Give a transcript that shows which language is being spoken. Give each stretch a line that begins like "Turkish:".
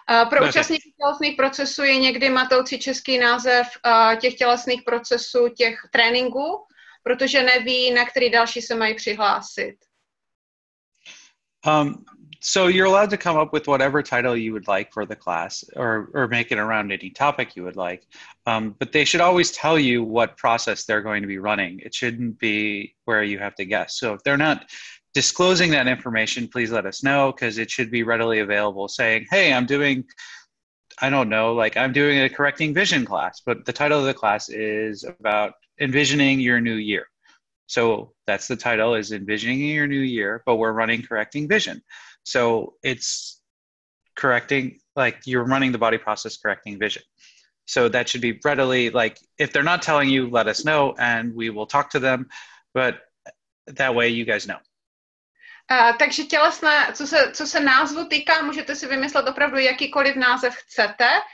Czech: Pro účastníky tělesných procesů je někdy matoucí český název těch tělesných procesů, těch tréninků, protože neví, na který další se mají přihlásit.
English: So you're allowed to come up with whatever title you would like for the class or make it around any topic you would like. But they should always tell you what process they're going to be running. It shouldn't be where you have to guess. So if they're not disclosing that information, please let us know, because it should be readily available saying, hey, I'm doing a correcting vision class, but the title of the class is about envisioning your new year. So that's the title, is envisioning your new year, but we're running correcting vision. So it's correcting, like you're running the body process correcting vision. So that should be readily, like if they're not telling you, let us know and we will talk to them. But that way you guys know.
Czech: Takže tělesné, co se názvu týká, můžete si vymyslet opravdu jakýkoliv název chcete.